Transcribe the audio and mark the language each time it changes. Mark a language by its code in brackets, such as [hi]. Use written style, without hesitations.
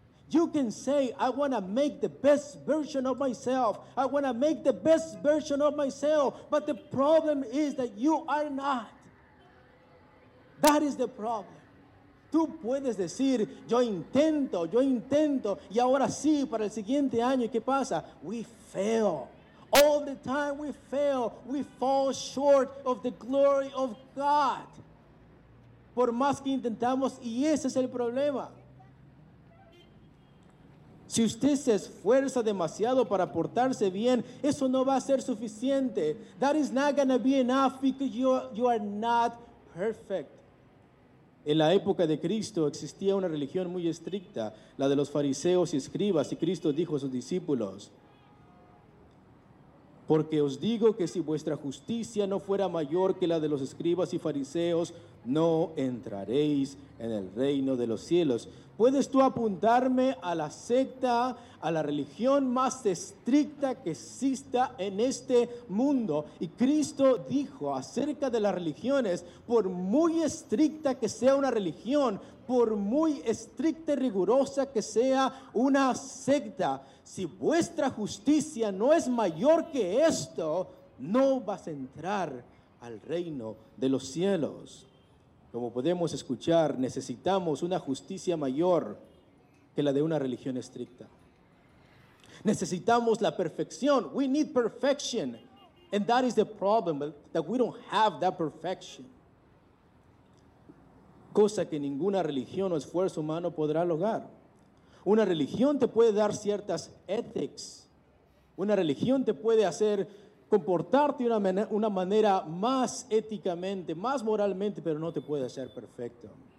[en] You can say, I want to make the best version of myself. I want to make the best version of myself. But the problem is that you are not. That is the problem. [es] Tú puedes decir, yo intento, y ahora sí, para el siguiente año, ¿y qué pasa? [en] We fail. All the time we fail, we fall short of the glory of God. [es] Por más que intentamos, y ese es el problema. Si usted se esfuerza demasiado para portarse bien, eso no va a ser suficiente. [en] That is not going to be enough because you are not perfect. [es] En la época de Cristo existía una religión muy estricta, la de los fariseos y escribas, y Cristo dijo a sus discípulos, porque os digo que si vuestra justicia no fuera mayor que la de los escribas y fariseos, no entraréis en el reino de los cielos. ¿Puedes tú apuntarme a la secta, a la religión más estricta que exista en este mundo? Y Cristo dijo acerca de las religiones, por muy estricta que sea una religión, por muy estricta y rigurosa que sea una secta, si vuestra justicia no es mayor que esto, no vas a entrar al reino de los cielos. Como podemos escuchar, necesitamos una justicia mayor que la de una religión estricta. Necesitamos la perfección. We need perfection. [en] And that is the problem, that we don't have that perfection. [es] Cosa que ninguna religión o esfuerzo humano podrá lograr. Una religión te puede dar ciertas ethics. Una religión te puede hacer comportarte de una manera más éticamente, más moralmente, pero no te puede hacer perfecto.